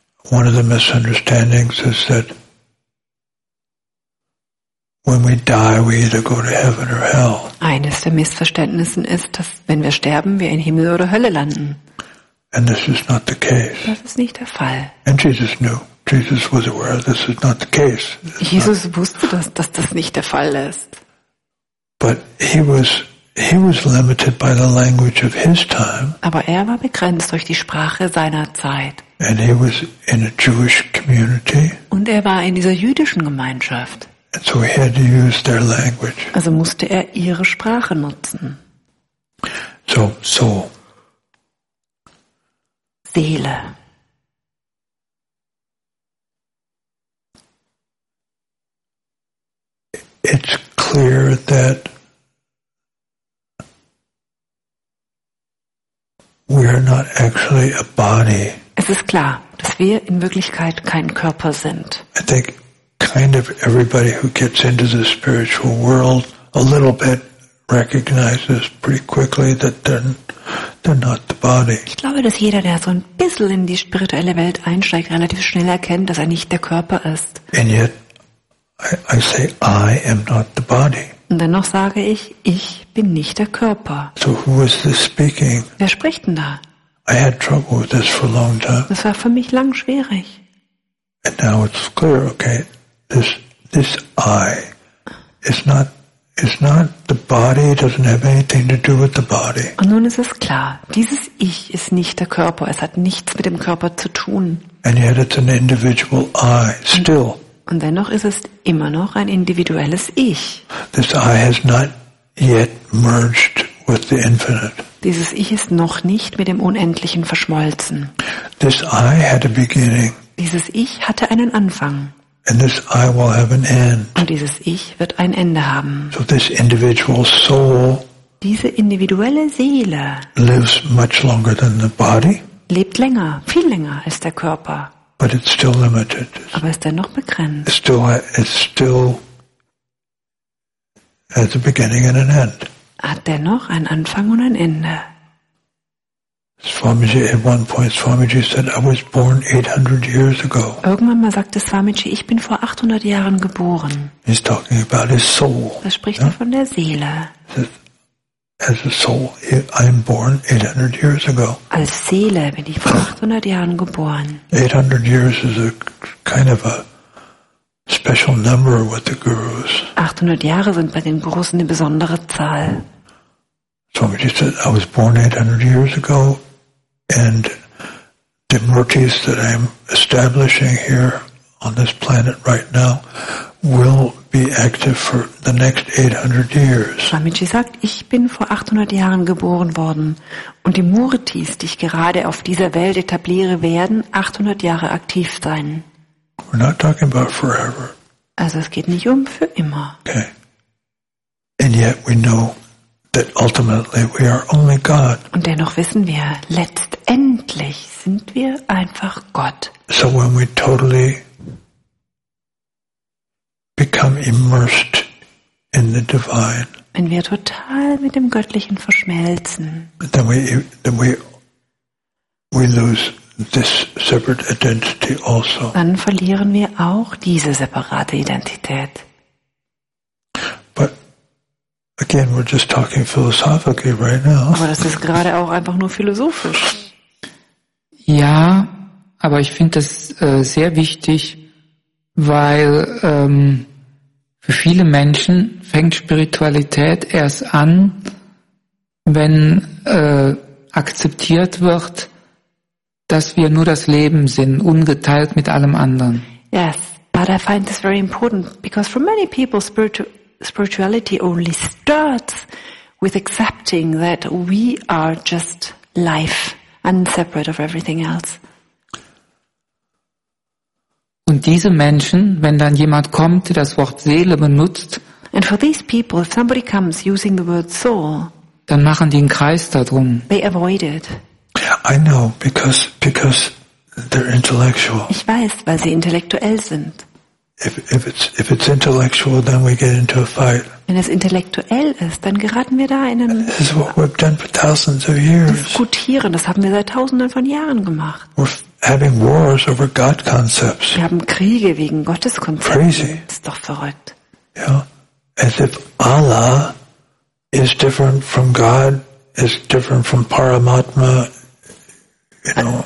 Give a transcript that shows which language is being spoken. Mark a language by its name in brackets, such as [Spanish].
[English] One of the misunderstandings is that when we die, we either go to heaven or hell. [German] Eines der Missverständnisse ist, dass wenn wir sterben, wir in Himmel oder Hölle landen. [English] And this is not the case. [German] Das ist nicht der Fall. [English] And Jesus knew. Jesus was aware this is not the case. [German] Jesus wusste, dass das nicht der Fall ist. [English] But he was limited by the language of his time. [German] Aber er war begrenzt durch die Sprache seiner Zeit. [English] And he was in a Jewish community. [German] Und er war in dieser jüdischen Gemeinschaft. [English] And so he had to use their language. [German] Also musste er ihre Sprache nutzen. [English] So. [German] Seele. [English] It's clear that we are not actually a body. [German] Es ist klar, dass wir in Wirklichkeit kein Körper sind. [English] I think kind of everybody who gets into the spiritual world a little bit recognizes pretty quickly that they're not the body. [German] Ich glaube, dass jeder, der so ein bisschen in die spirituelle Welt einsteigt, relativ schnell erkennt, dass er nicht der Körper ist. [English] And yet, I say, I am not the body. [German] Und dennoch sage ich, ich bin nicht der Körper. [English] So who is this speaking? [German] Wer spricht denn da? [English] I had trouble with this for a long time. [German] Das war für mich lang schwierig. [English] And now it's clear, okay, this I is not the body, it doesn't have anything to do with the body. [German] Und nun ist es klar, dieses Ich ist nicht der Körper, es hat nichts mit dem Körper zu tun. [English] And yet it's an individual I, still. [German] Und dennoch ist es immer noch ein individuelles Ich. [English] This I has not yet merged with the infinite. [German] Dieses Ich ist noch nicht mit dem Unendlichen verschmolzen. [English] This I had a beginning. [German] Dieses Ich hatte einen Anfang. [English] And this I will have an end. [German] Und dieses Ich wird ein Ende haben. [English] So this individual soul, [German] diese individuelle Seele, [English] lives much longer than the body. [German] Lebt länger, viel länger als der Körper. [English] But it's still limited. [German] Aber ist dennoch begrenzt. [English] It's still has a beginning and an end. [German] Hat dennoch einen Anfang und ein Ende. [English] Swamiji, at one point, Swamiji said, "I was born 800 years ago." [German] Irgendwann mal sagte Swamiji, ich bin vor 800 Jahren geboren. [English] He's talking about his soul. [German] Das spricht er von der Seele. [English] As a soul, I'm born 800 years ago. [German] Als Seele bin ich vor 800 Jahren geboren. [English] 800 years is a kind of a special number with the gurus. [German] 800 Jahre sind bei den Gurus eine besondere Zahl. [English] So we just said, I was born 800 years ago, and the murtis that I'm establishing here on this planet right now will be active for the next 800 years. [German] Swamiji sagt, ich bin vor 800 Jahren geboren worden und die Murtis, die ich gerade auf dieser Welt etabliere, werden 800 Jahre aktiv sein. [English] We're not talking about forever. [German] Also es geht nicht um für immer. [English] Okay. And yet we know that ultimately we are only God. [German] Und dennoch wissen wir, letztendlich sind wir einfach Gott. [English] So when we totally become immersed in the divine. [German] Wenn wir total mit dem Göttlichen verschmelzen, [English] then we lose this separate identity also. [German] Dann verlieren wir auch diese separate Identität. [English] But again, we're just talking philosophically right now. [German] Aber das ist gerade auch einfach nur philosophisch. Ja, aber ich finde das sehr wichtig, weil für viele Menschen fängt Spiritualität erst an, wenn akzeptiert wird, dass wir nur das Leben sind, ungeteilt mit allem anderen. [English] Yes, but I find this very important because for many people spirituality only starts with accepting that we are just life and separate of everything else. [German] Und diese Menschen, wenn dann jemand kommt, der das Wort Seele benutzt, [English] and for these people, if somebody comes using the word soul, [German] dann machen die einen Kreis darum. [English] They avoid it. I know, because they're intellectual. [German] Ich weiß, weil sie intellektuell sind. [English] If it's intellectual, then we get into a fight. [German] Wenn es intellektuell ist, dann geraten wir da in einen. [English] This is what we've done for thousands of years. [German] Diskutieren, das haben wir seit Tausenden von Jahren gemacht. [English] Having wars over God concepts. [German] Wir haben Kriege wegen Gotteskonzepten. [English] Crazy. [German] Das ist doch verrückt. [English] Yeah. As if Allah is different from God, is different from Paramatma. You know.